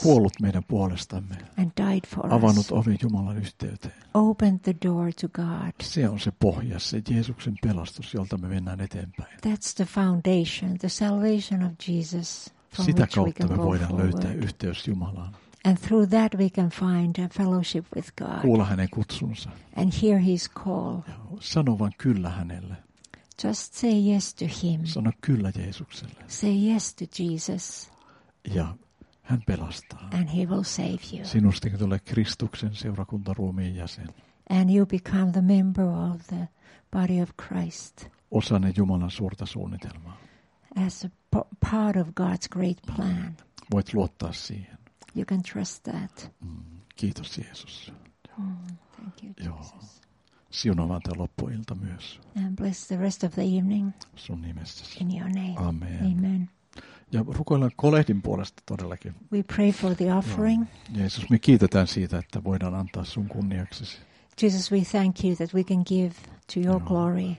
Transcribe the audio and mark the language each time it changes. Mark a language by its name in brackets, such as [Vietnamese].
[Finnish] Kuollut meidän puolestamme. [English] And died for [Finnish] avannut [English] us. [Finnish] Avannut oven Jumalan yhteyteen. [English] Opened the door to God. [Finnish] Se on se pohja, se Jeesuksen pelastus, jolta me mennään eteenpäin. [English] That's the foundation, the salvation of Jesus. [Finnish] Sitä kautta me voidaan löytää yhteys Jumalaan. [English] And through that we can find a fellowship with God. [Finnish] Kuulla hänen kutsunsa. [English] And hear his call. [Finnish] Sano vaan kyllä hänelle. [English] Just say yes to him. [Finnish] Sano kyllä Jeesukselle. [English] Say yes to Jesus. [Finnish] Ja hän pelastaa. [English] And he will save you. [Finnish] Sinusta tulee Kristuksen seurakuntaruumiin jäsen. [English] And you become the member of the body of Christ. [Finnish] Osanne Jumalan suurta suunnitelmaa. [English] As a part of God's great plan. [Finnish] Voit luottaa siihen. [English] You can trust that. [Finnish] Kiitos Jeesus. [English] Thank you, Jesus. [Finnish] Joo. Siunaa vaan tämä loppuilta myös. [English] And bless the rest of the evening. [Finnish] Sun nimessäsi. [English] In your name. [Finnish] Amen. [English] Amen. [Finnish] Ja rukoillaan kolehdin puolesta todellakin. [English] We pray for the offering. Joo. [Finnish] Jeesus, me kiitetään siitä, että voidaan antaa sun kunniaksesi. [English] Jesus, we thank you that we can give to your glory.